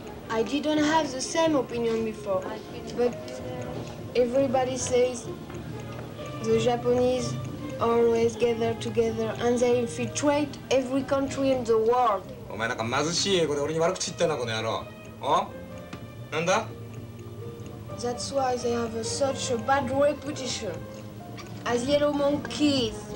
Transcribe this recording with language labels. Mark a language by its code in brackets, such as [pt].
[en] I didn't have the same opinion before, but everybody says the Japanese always gather together and they infiltrate every country in the world. [ja] お前なんか貧しい英語で俺に悪口言ってんな、この野郎。お?なんだ? [en] That's why they have such a bad reputation as yellow monkeys.